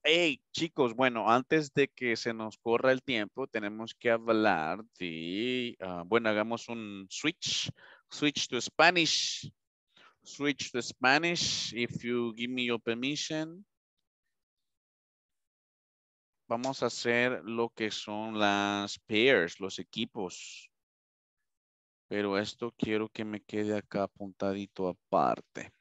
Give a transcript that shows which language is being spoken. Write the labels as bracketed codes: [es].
[es] Hey, chicos, bueno, antes de que se nos corra el tiempo, tenemos que hablar de... bueno, hagamos un switch. [en] Switch to Spanish. Switch to Spanish, if you give me your permission. [es] Vamos a hacer lo que son las pairs, los equipos. Pero esto quiero que me quede acá apuntadito aparte.